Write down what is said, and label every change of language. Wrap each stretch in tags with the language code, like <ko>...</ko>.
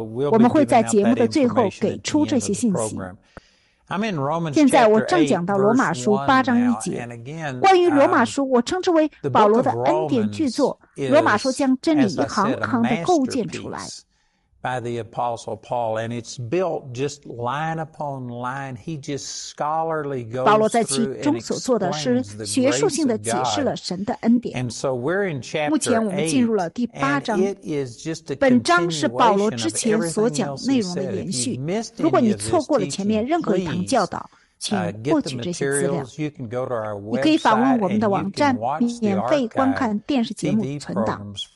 <zh>我们会在节目的最后给出这些信息。现在我正讲到罗马书八章一节，关于罗马书，我称之为保罗的恩典巨作。罗马书将真理一行行地构建出来。</zh> <en>By the Apostle Paul, and it's built just line upon line. He just scholarly goes through and explains the grace of God.</en> <zh>学术性地解释了神的恩典。</zh> <en>And so we're in chapter 8.</en> <zh>目前我们进入了第八章。</zh> <en>And it is just a continuation.</en> <zh>本章是保罗之前所讲内容的延续。如果你错过了前面任何一堂教导，请获取这些资料。你可以访问我们的网站，免费观看电视节目存档。</zh>